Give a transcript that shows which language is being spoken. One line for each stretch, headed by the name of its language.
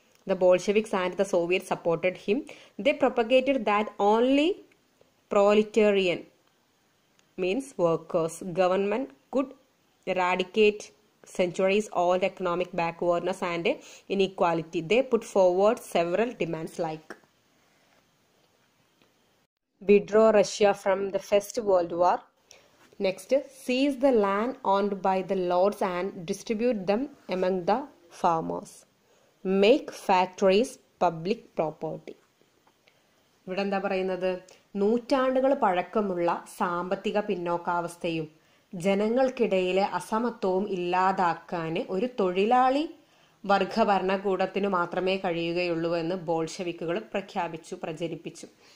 English: The Bolsheviks and the Soviet supported him. The propagated that only proletarian means workers government could eradicate centuries old economic backwardness and inequality. They put forward several demands like withdraw Russia from the First World War, next seize the land owned by the lords and distribute them among the farmers, make factories public property.
Malayalam: ഇവിടെ എന്താ പറയുന്നത്? നൂറ്റാണ്ടുകൾ പഴക്കമുള്ള സാമ്പത്തിക പിന്നോക്കാവസ്ഥയും ജനങ്ങൾക്കിടയിലെ അസമത്വവും ഇല്ലാതാക്കാന് ഒരു തൊഴിലാളി വർഗ ഭരണകൂടത്തിനു മാത്രമേ കഴിയുകയുള്ളൂ എന്ന് ബോൾഷെവിക്കുകൾ പ്രഖ്യാപിച്ചു, പ്രചരിപ്പിച്ചു.